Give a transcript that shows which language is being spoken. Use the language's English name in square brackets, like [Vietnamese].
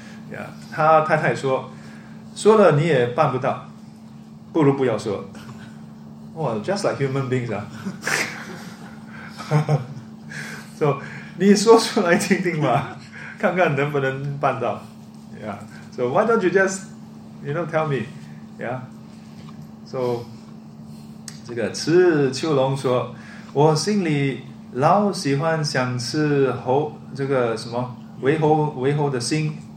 [Chinese] Yeah, 他太太说，说了你也办不到，不如不要说。 [English] 哇 ，just like human beings 啊。 [Chinese] So, 你说出来听听吧，看看能不能办到。 [English] Yeah. So why don't you just, you know, tell me? Yeah. [Chinese] So, 这个赤秋龙说，我心里老喜欢想吃猴。这个什么为猴的心，